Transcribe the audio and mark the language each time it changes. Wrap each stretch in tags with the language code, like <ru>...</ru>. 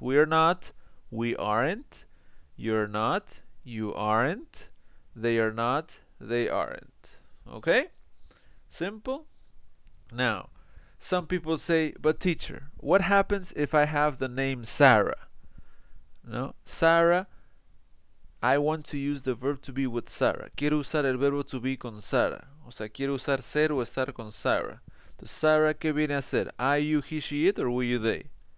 <en>We're not, we aren't, you're not, you aren't, they are not, they aren't. Okay? Simple? Now, some people say, but teacher, what happens if I have the name Sarah? No? Sarah, I want to use the verb to be with Sarah.</en> <es>Quiero usar el verbo to be con Sarah. O sea, quiero usar ser o estar con Sarah. Entonces, Sarah, ¿qué viene a ser?</es> <en>Are you, he, she, it, or were you, they?</en>